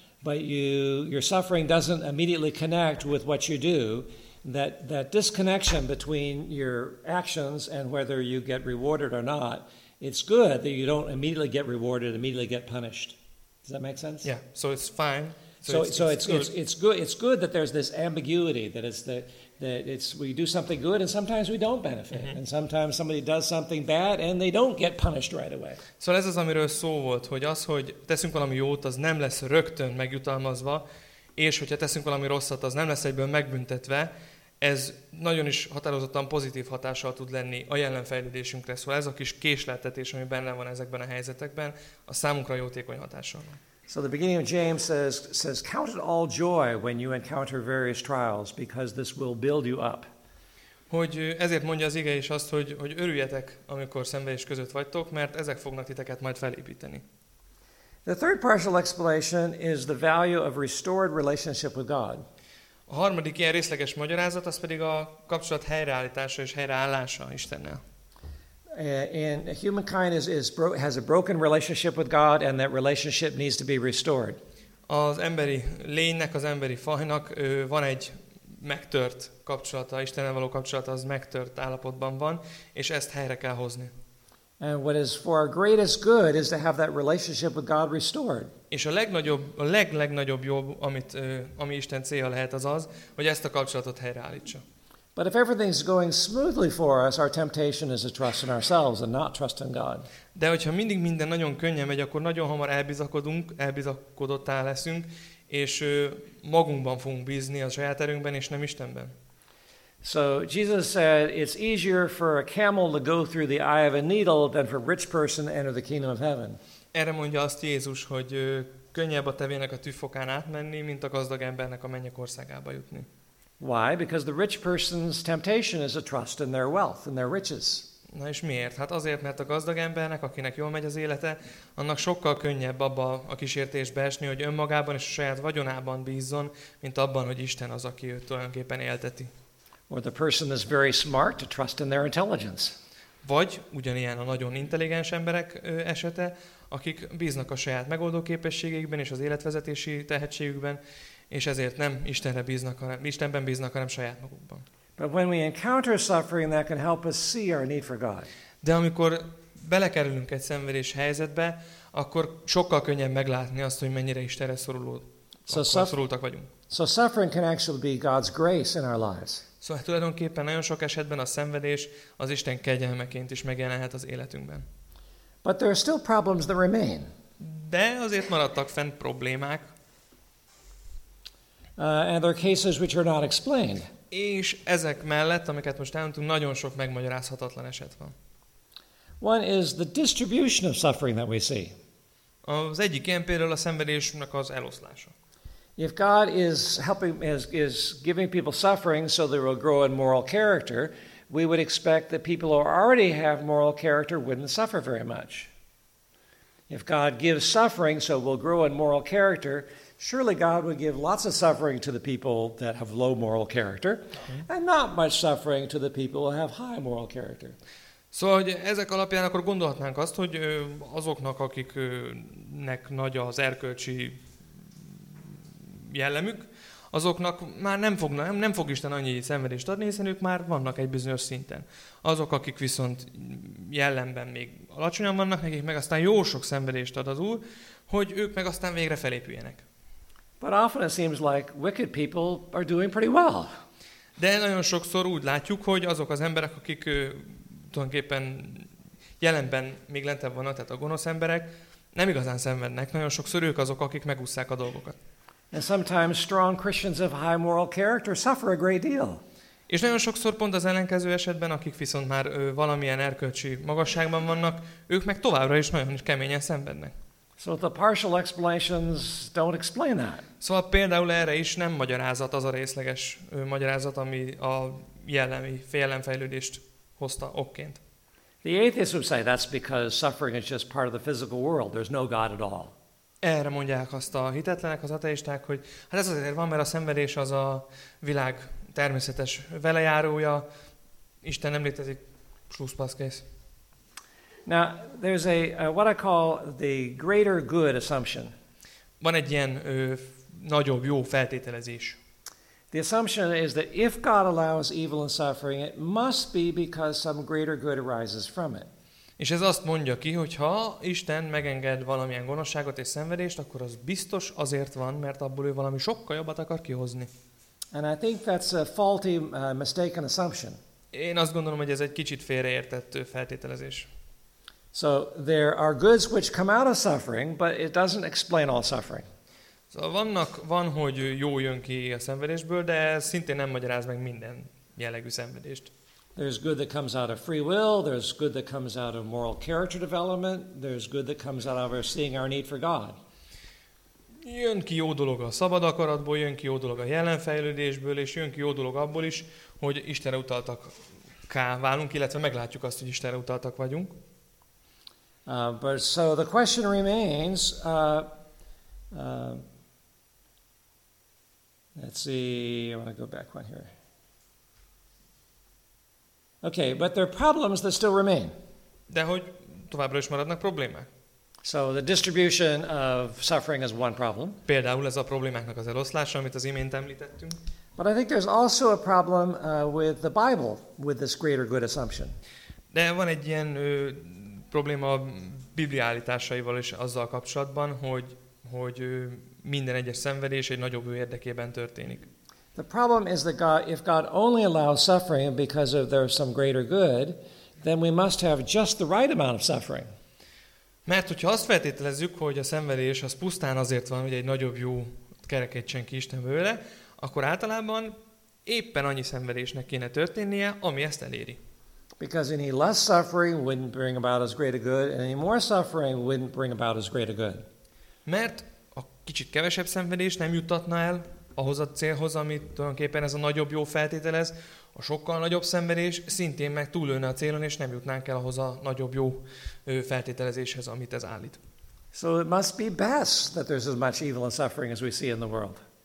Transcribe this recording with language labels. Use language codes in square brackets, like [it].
[en] but your suffering doesn't immediately connect with what you do, that disconnection between your actions and whether you get rewarded or not, it's good that you don't immediately get rewarded, immediately get punished. Does that make sense? Yeah. So it's fine. So it's good. It's good that there's this ambiguity, that we do something good and sometimes we don't benefit, mm-hmm. and sometimes somebody does something bad and they don't get punished right away. [hu] So ez az, amiről szó volt, hogy az, hogy teszünk valami jót, az nem lesz rögtön megjutalmazva, és hogyha teszünk valami rosszat, az nem lesz egyből megbüntetve. Ez nagyon is határozottan pozitív hatással tud lenni a jelenfejlődésünkre. Szóval ez a kis késleltetés, ami benne van ezekben a helyzetekben, a számunkra jótékony hatással van. [en] So the beginning of James says, count it all joy when you encounter various trials, because this will build you up. [hu] Hogy ezért mondja az ige is azt, hogy örüljetek, amikor szenvedés között vagytok, mert ezek fognak titeket majd felépíteni. [en] The third partial explanation is the value of restored relationship with God. [hu] A harmadik ilyen részleges magyarázat az pedig a kapcsolat helyreállítása és helyreállása Istennel. [en] And humankind has a broken relationship with God, and that relationship needs to be restored. [hu] Az emberi lénynek, az emberi fajnak van egy megtört kapcsolata, Istennel való kapcsolata az megtört állapotban van, és ezt helyre kell hozni. [en] And what is for our greatest good is to have that relationship with God restored. [hu] És a legnagyobb, a leglegnagyobb jobb, amit ami Isten célja lehet, az, hogy ezt a kapcsolatot helyreállítsa. [en] But if everything's going smoothly for us, our temptation is to trust in ourselves and not trust in God. [hu] De hogyha mindig minden nagyon könnyen megy, akkor nagyon hamar elbizakodottá leszünk, és magunkban fogunk bízni, a saját erőnkben, és nem Istenben. [en] So Jesus said it's easier for a camel to go through the eye of a needle than for a rich person to enter the kingdom of heaven. [hu] Erre mondja azt Jézus, hogy könnyebb a tevének a tűfokán átmenni, mint a gazdag embernek a mennyek országába jutni. [en] Why? Because the rich person's temptation is to trust in their wealth and their riches. [hu] Na és miért? Hát azért, mert a gazdag embernek, akinek jól megy az élete, annak sokkal könnyebb abba a kísértésbe esni, hogy önmagában és a saját vagyonában bízzon, mint abban, hogy Isten az, aki őt tulajdonképpen élteti. [en] Or the person is very smart to trust in their intelligence. [hu] Vagy ugyanilyen a nagyon intelligens emberek esete, akik bíznak a saját megoldó képességeikben és az életvezetési tehetségükben, és ezért nem Istenre bíznak, hanem Istenben bíznak, hanem saját magukban. [en] But when we encounter suffering, that can help us see our need for God. [hu] De amikor belekerülünk egy szenvedés helyzetbe, akkor sokkal könnyebb meglátni azt, hogy mennyire Istenre szorultak vagyunk. [en] So suffering can actually be God's grace in our lives. [hu] Szóval tulajdonképpen nagyon sok esetben a szenvedés az Isten kegyelmeként is megjelenhet az életünkben. [en] But there are still problems that remain. [hu] De azért maradtak fent problémák. [en] And there are cases which are not explained. [hu] És ezek mellett, amiket most elmondtunk, nagyon sok megmagyarázhatatlan eset van. [en] One is the distribution of suffering that we see. [hu] Az egyik ilyen például a szenvedésnek az eloszlása. [en] If God is helping, is giving people suffering so they will grow in moral character, we would expect that people who already have moral character wouldn't suffer very much. If God gives suffering so we'll grow in moral character, surely God would give lots of suffering to the people that have low moral character, and not much suffering to the people who have high moral character. [hu] Szóval, hogy ezek alapján akkor gondolhatnánk azt, hogy azoknak, akiknek nagy az erkölcsi jellemük, azoknak már nem fog Isten annyi szenvedést adni, hiszen ők már vannak egy bizonyos szinten. Azok, akik viszont jellemben még alacsonyan vannak, nekik meg aztán jó sok szenvedést ad az Úr, hogy ők meg aztán végre felépüljenek. [en] But often it seems like wicked people are doing pretty well. [hu] De nagyon sokszor úgy látjuk, hogy azok az emberek, akik tulajdonképpen jelenben még lentebb vannak, tehát a gonosz emberek, nem igazán szenvednek. Nagyon sokszor ők azok, akik megúszszák a dolgokat. [en] And sometimes strong Christians of high moral character suffer a great deal. [hu] És nagyon sokszor pont az ellenkező esetben, akik viszont már valamilyen erkölcsi magasságban vannak, ők meg továbbra is nagyon is keményen szenvednek. [en] So the partial explanations don't explain that. [hu] Szóval például erre is nem magyarázat az a részleges magyarázat, ami a jellemi félelemfejlődést hozta okként. [en] The atheists would say that's because suffering is just part of the physical world. There's no God at all. [hu] Erre mondják azt a hitetlenek, az ateisták, hogy hát ez azért van, mert a szenvedés az a világ természetes velejárója, Isten nem létezik, slusz pasz kész. [en] Now, there's what I call the greater good assumption. [hu] Van egy ilyen nagyobb jó feltételezés. [en] The assumption is that if God allows evil and suffering, it must be because some greater good arises from it. [hu] És ez azt mondja ki, hogy ha Isten megenged valamilyen gonoszságot és szenvedést, akkor az biztos azért van, mert abból ő valami sokkal jobbat akar kihozni. [en] And I think that's a faulty, mistaken assumption. [hu] Én azt gondolom, hogy ez egy kicsit félreértett feltételezés. [en] So there are goods which come out of suffering, but it doesn't explain all suffering. [hu] Szóval van, hogy jó jön ki a szenvedésből, de ez szintén nem magyaráz meg minden jellegű szenvedést. [en] There's good that comes out of free will, there's good that comes out of moral character development, there's good that comes out of our seeing our need for God. [hu] Jön ki jó dolog a szabad akaratból, jön ki jó dolog a jelenfejlődésből, és jön ki jó dolog abból is, hogy Istenre utaltak ká válunk, illetve meglátjuk azt, hogy Istenre utaltak vagyunk. [en] But so the question remains, let's see, I want to go back one here. Okay, but there are problems that still remain. [hu] De hogy továbbra is maradnak problémák? [en] So the distribution of suffering is one problem. [hu] Például ez a problémáknak az eloszlása, amit az imént említettünk. [en] But I think there's also a problem with the Bible, with this greater good assumption. [hu] De van egy ilyen probléma a Biblia állításaival és azzal kapcsolatban, hogy minden egyes szenvedés egy nagyobb ő érdekében történik. [en] The problem is that God, if God only allows suffering because of there's some greater good, then we must have just the right amount of suffering. [hu] Mert hogyha azt feltételezzük, hogy a szenvedés az pusztán azért van, hogy egy nagyobb jó kerekedjen ki Isten belőle, akkor általában éppen annyi szenvedésnek kéne történnie, ami ezt eléri. [en] Because any less suffering wouldn't bring about as great a good, and any more suffering wouldn't bring about as great a good. [hu] Mert a kicsit kevesebb szenvedés nem juttatna el ahhoz a célhoz, amit tulajdonképpen ez a nagyobb jó feltételez, a sokkal nagyobb szenvedés szintén meg túlölne a célon, és nem jutnánk el ahhoz a nagyobb jó feltételezéshez, amit ez állít. [en] So it must be best that there's as much evil and suffering as we see in the world.